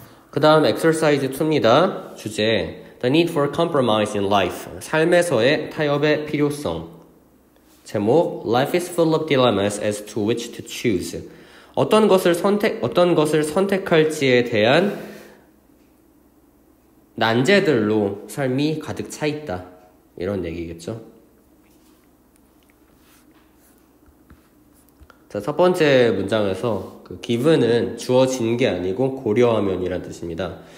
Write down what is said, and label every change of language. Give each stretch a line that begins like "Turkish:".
Korean: 그 다음 exercise 2입니다. 주제,
English: The Need for Compromise in Life.
Korean: 삶에서의 타협의 필요성. 제목,
English: Life is full of dilemmas as to which to choose.
Korean: 어떤 것을 선택할지에 대한 난제들로 삶이 가득 차 있다. 이런 얘기겠죠. 자, 첫 번째 문장에서 그 give는 주어진 게 아니고 고려하면 이란 뜻입니다.